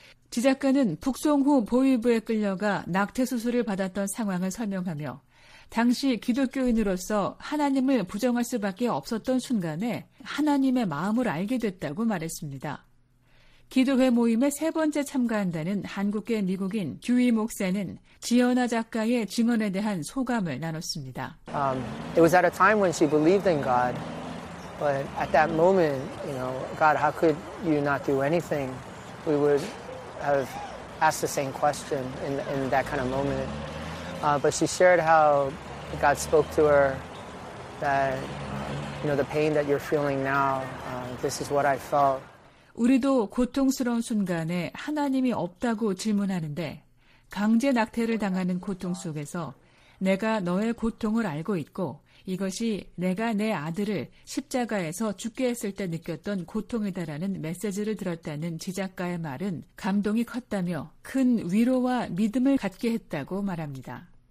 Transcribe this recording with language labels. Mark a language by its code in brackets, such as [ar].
[ko] 지 작가는 북송 후 보위부에 끌려가 낙태 수술을 받았던 상황을 설명하며 당시 기독교인으로서 하나님을 부정할 수밖에 없었던 순간에 하나님의 마음을 알게 됐다고 말했습니다. 기도회 모임에 세 번째 참가한다는 한국계 미국인 규이 목사는 지연아 작가의 증언에 대한 소감을 나눴습니다. [en] It was at a time when she believed in God, but at that moment, you know, God, how could you not do anything? We would have asked the same question in that kind of moment. But she shared how God spoke to her that, you know, the pain that you're feeling now, this is what I felt. [ko] 우리도 고통스러운 순간에 하나님이 없다고 질문하는데 강제 낙태를 당하는 고통 속에서 내가 너의 고통을 알고 있고 이것이 내가 내 아들을 십자가에서 죽게 했을 때 느꼈던 고통이다라는 메시지를 들었다는 지작가의 말은 감동이 컸다며 큰 위로와 믿음을 갖게 했다고 말합니다.